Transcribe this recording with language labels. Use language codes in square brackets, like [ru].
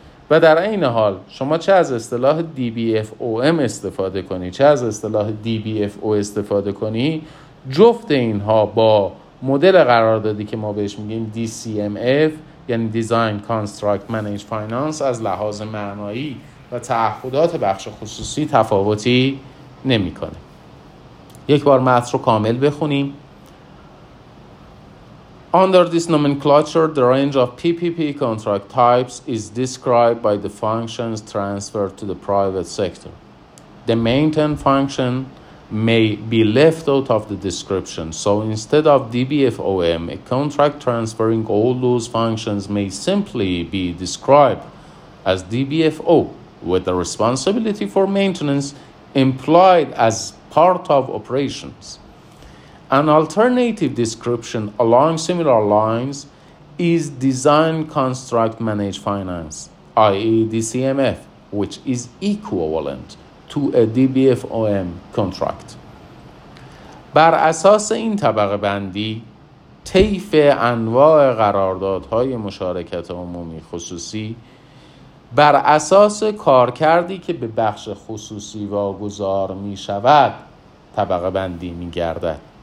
[fa] و در این حال شما چه از اصطلاح DBFOM استفاده کنی چه از اصطلاح DBFO استفاده کنی جفت اینها با مدل قراردادی که ما بهش میگیم DCMF یعنی Design Construct Manage Finance از لحاظ معنایی و تعهدات بخش خصوصی تفاوتی نمی کنه. یک بار متن رو کامل بخونیم. [en] Under this nomenclature, the range of PPP contract types is described by the functions transferred to the private sector. The maintain function may be left out of the description. So instead of DBFOM, a contract transferring all those functions may simply be described as DBFO, with the responsibility for maintenance implied as part of operations. An alternative description along similar lines is Design Construct Manage Finance, i.e. DCMF, which is equivalent to a DBFOM contract. [fa] بر اساس این طبقه بندی، طیف انواع قراردادهای مشارکت عمومی خصوصی بر اساس کارکردی که به بخش خصوصی واگذار می شود، طبقه بندی می گردد.